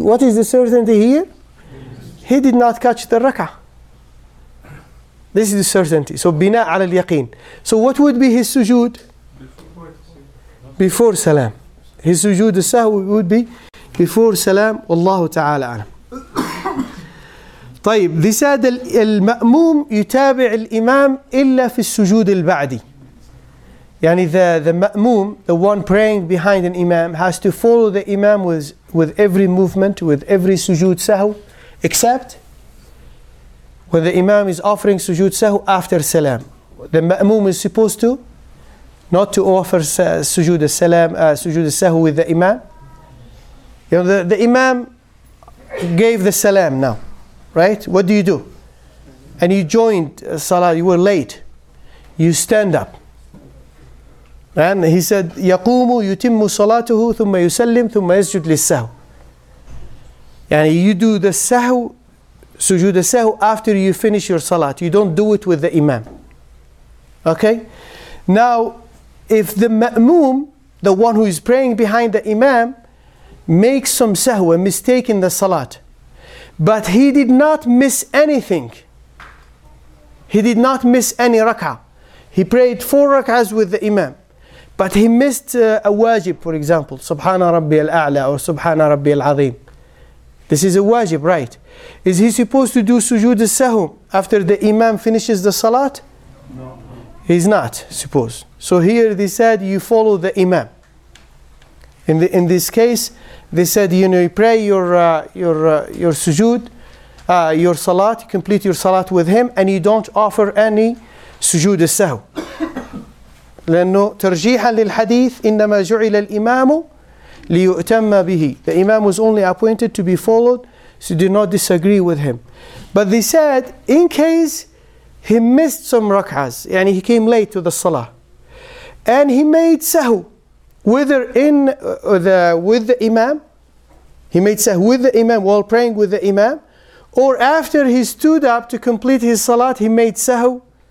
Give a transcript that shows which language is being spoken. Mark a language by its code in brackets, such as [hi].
[en] What is the certainty here? He did not catch the rak'ah. This is the certainty. So bina ala al-yaqeen. So what would be his sujood? Before salam. His sujood sahw would be before salam. [ar] Allahu ta'ala alam. طيب ذي ساد المأموم يتابع الإمام إلا في السجود البعدي. [en] يعني the مأموم, the one praying behind an imam, has to follow the imam with every movement, with every sujood sahw, except when the imam is offering sujood sahw after salam. The مأموم is supposed to not to offer sujood salam, sujood sahw with the imam. You know, the imam gave the salam now. Right? What do you do? And you joined salah, you were late. You stand up. And he said, [ar] يَقُومُ يُتِمُّ صَلَاتُهُ ثُمَّ يُسَلِّمْ ثُمَّ يَسْجُدْ لِلسَّهُ. [en] And you do the sahw, sujood al-sahw, after you finish your salat. You don't do it with the imam. Okay? Now, if the ma'moom, the one who is praying behind the imam, makes some sahw, a mistake in the salat, but he did not miss anything. He did not miss any rak'ah. He prayed four rak'ahs with the imam. But he missed a wajib, for example, Subhana Rabbi al-A'la or Subhana Rabbi al-Azim. This is a wajib, right? Is he supposed to do sujood al-sahum after the imam finishes the salat? No. He's not supposed. So here they said, you follow the imam. In this case, they said, you know, you pray your sujood, your salat, you complete your salat with him, and you don't offer any sujood as-sahw. [ar] لأنه ترجيحا للحديث إنما جعل الإمام ليؤتم به. [en] The imam was only appointed to be followed, so do not disagree with him. But they said, in case he missed some rak'ahs, يعني he came late to the salah, and he made sahw, whether in the with the imam, he made sahw with the imam while praying with the imam, or after he stood up to complete his salat, he made sahw